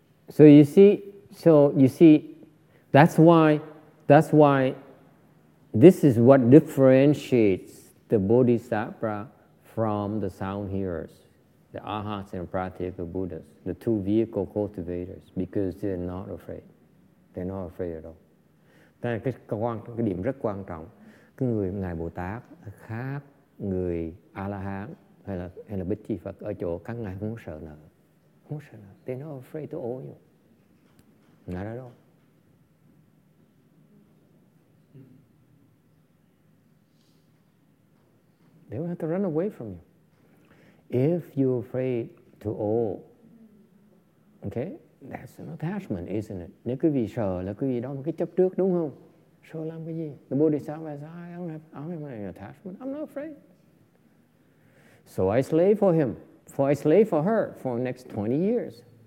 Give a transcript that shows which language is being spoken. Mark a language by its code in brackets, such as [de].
[en] So you see, that's why this is what differentiates the Bodhisattva from the sound hearers, the arhats and practical Buddhas, the two vehicle cultivators, because they're not afraid. They're not afraid at all. [vi] Đây là cái điểm rất quan trọng. Cái người ngài Bồ Tát khác người A La Hán hay là Bích Chi Phật ở chỗ các ngài không sợ nợ. [en] Không sợ nợ. They're not afraid to owe you. Not at all. They will have to run away from you. If you're afraid to owe, okay, that's an attachment, isn't it? [vi] Nếu quý vị sợ là quý vị đó một cái chấp trước, đúng không? Sợ làm cái gì? [en] The Bodhisattva says, I don't have any attachment. I'm not afraid. So I slave for him. For I slave for her for the next 20 years.